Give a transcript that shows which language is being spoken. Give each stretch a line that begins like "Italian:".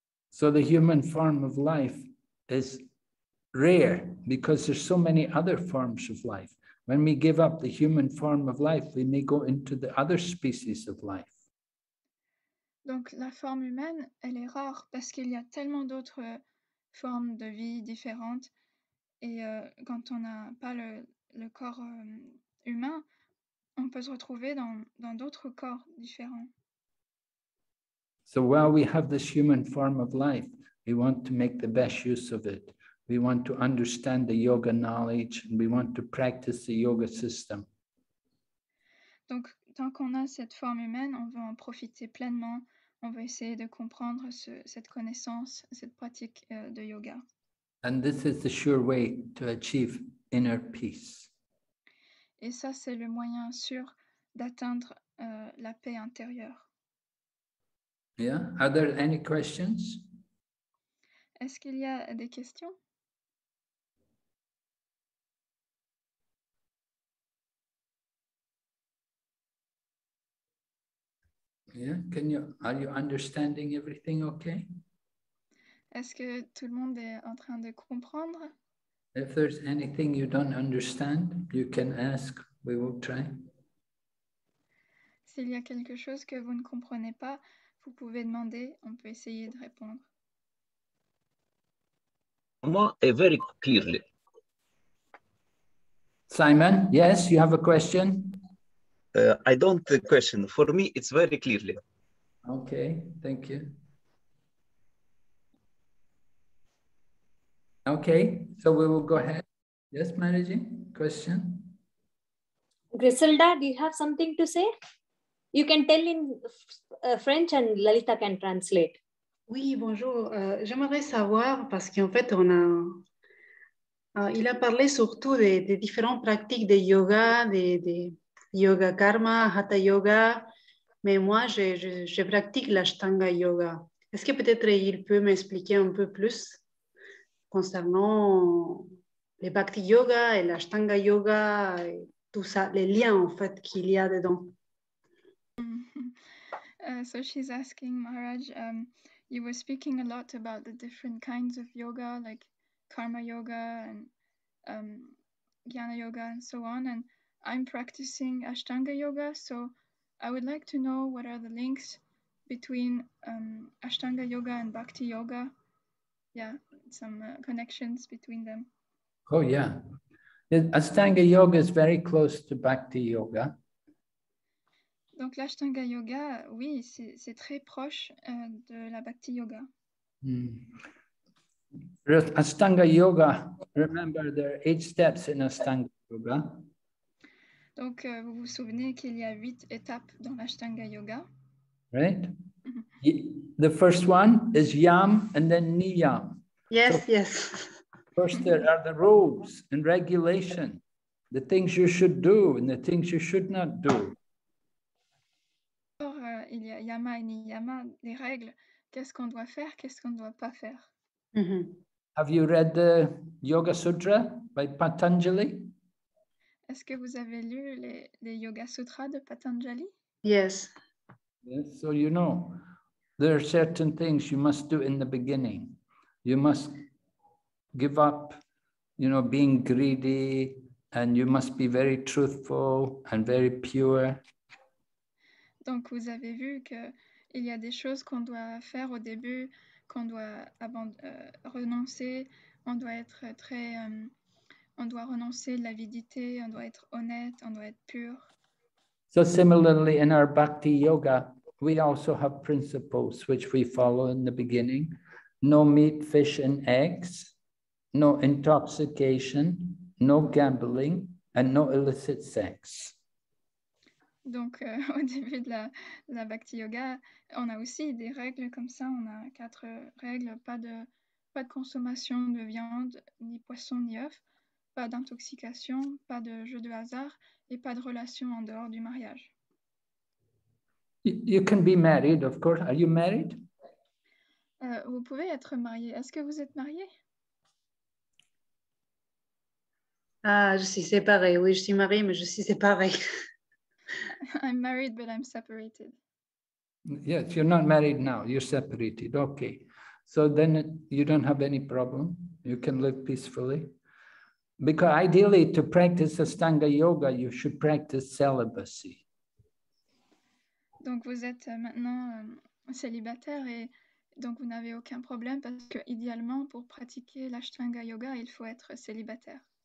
English: So the human form of life is rare because there's so many other forms of life. When we give up the human form of life, we may go into the other species of life.
French: Donc la forme humaine, elle est rare parce qu'il y a tellement d'autres formes de vie différentes. Et quand on n'a pas le corps humain, on peut se retrouver dans d'autres corps différents.
English: So while we have this human form of life, we want to make the best use of it. We want to understand the yoga knowledge and we want to practice the yoga system.
French: Donc, tant qu'on a cette forme humaine, on veut en profiter pleinement. On veut essayer de comprendre cette connaissance, cette pratique de yoga.
English: And this is the sure way to achieve inner peace.
French: Et ça, c'est le moyen sûr d'atteindre la paix intérieure.
English: Yeah, are there any questions?
French: Est-ce qu'il y a des questions?
English: Yeah, are you understanding everything okay?
French: Est-ce que tout le monde est en train de comprendre?
English: If there's anything you don't understand, you can ask, we will try.
French: S'il y a quelque chose que vous ne comprenez pas, vous pouvez demander, on peut essayer de répondre. Moi, est
English: very clearly. Simon, yes, you have a question? I don't have a question. For me, it's very clearly. Okay, thank you. Okay, so we will go ahead. Yes, Maharaji, question? Griselda, do you have something to say? You can tell in French and Lalita can translate.
French: Oui, bonjour. J'aimerais savoir, parce qu'en fait, il a parlé surtout des différentes pratiques de yoga, des yoga karma, hatha yoga, mais moi, je pratique l'ashtanga yoga. Est-ce que peut-être il peut m'expliquer un peu plus concernant les bhakti yoga et l'ashtanga yoga, et tout ça, les liens en fait qu'il y a dedans?
English: So she's asking Maharaj, you were speaking a lot about the different kinds of yoga, like karma yoga and jnana yoga and so on. And I'm practicing Ashtanga yoga. So I would like to know what are the links between Ashtanga yoga and Bhakti yoga. Yeah, some connections between them. Oh, yeah. Ashtanga yoga is very close to Bhakti yoga.
French: Donc l'Ashtanga yoga, oui, c'est très proche de la Bhakti yoga.
English: Ashtanga yoga, remember there are 8 steps in Ashtanga yoga.
French: Donc vous vous souvenez qu'il y a 8 étapes dans l'Ashtanga yoga.
English: Right? The first one is yam and then niyam. Yes, so, yes. First, there are the rules and regulation, the things you should do and the things you should not do.
French: Or, il y a yama et niyama, les règles, qu'est-ce qu'on doit faire, qu'est-ce qu'on ne doit pas faire. Mm-hmm.
English: Have you read the Yoga Sutra by Patanjali?
French: Est-ce que vous avez lu les Yoga Sutras de Patanjali?
English: Yes. Yes. So you know, there are certain things you must do in the beginning. You must give up, you know, being greedy, and you must be very truthful and very pure.
French: Donc vous avez vu que il y a des choses qu'on doit faire au début, qu'on doit renoncer, on doit être très, on doit renoncer de l'avidité, on doit être honnête, on doit être pur.
English: So similarly in our Bhakti yoga, we also have principles which we follow in the beginning. No meat, fish and eggs, no intoxication, no gambling and no illicit sex.
French: Donc au début de la Bhakti yoga, on a aussi des règles comme ça, on a 4 règles, pas de consommation de viande, ni poisson, ni œuf, pas d'intoxication, pas de jeu de hasard et pas de relation en dehors du mariage.
English: You can be married, of course. Are you married?
French: Vous pouvez être marié. Est-ce que vous êtes marié? Ah, je suis séparée. Oui, je suis mariée, mais je suis séparée.
English: I'm married, but I'm separated. Yes, you're not married now. You're separated. Okay. So then you don't have any problem. You can live peacefully. Because ideally, to practice Ashtanga yoga, you should practice celibacy.
French: Donc, vous êtes maintenant célibataire et donc vous n'avez aucun problème parce que idéalement, pour pratiquer l'Ashtanga yoga, il faut être célibataire.